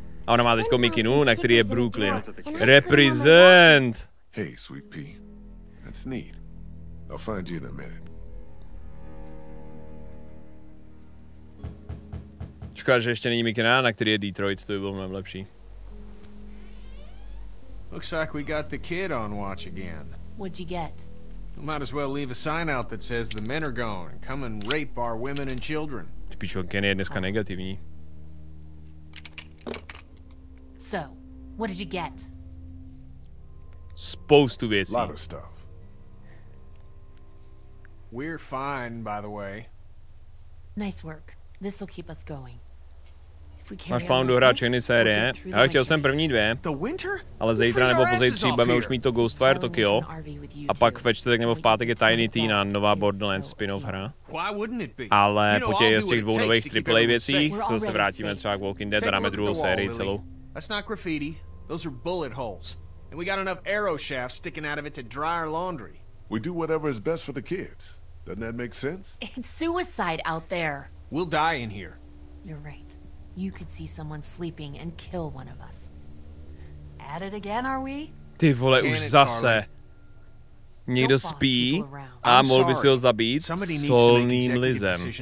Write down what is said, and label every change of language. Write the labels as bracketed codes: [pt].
[cs] A ona má teďko mikinu, na který je Brooklyn. [en] Represent! Hey, sweet pea. That's neat. I'll find you in a minute. [cs] Škoda, že ještě není mikina, na který je Detroit, to by bylo mnohem lepší. [en] Looks like we got the kid on watch again. What'd you get? We might as well leave a sign out that says the men are gone. Come and rape our women and children. [cs] Ty pičo, Kenny je dneska negativní. [en] So, what did you get? [cs] Spoustu věcí. [en] Lot of stuff. We're fine, by the way. Nice work. This'll keep us going. [cs] Máš plán dohrát všechny série, já chtěl jsem první dvě, ale zítra nebo pozítří budeme už mít to Ghostwire Tokyo a pak ve čtvrtek nebo v pátek je Tiny Tina, nová Borderlands spin-off hra. Ale po těch z těch dvou nových AAA věcí se zase vrátíme třeba k Walking Dead a dáme druhou sérii celou. [en] That's not graffiti, those are bullet holes. And we got enough arrow shafts sticking out of it to dry our laundry. We do whatever is best for the kids. Doesn't that make sense? It's suicide out there. We'll die in here. You're right. You could see someone sleeping and kill one of us. At it again, are we? [cs] Ty vole, už zase. někdo spí a mohl by si ho zabít solným lizem.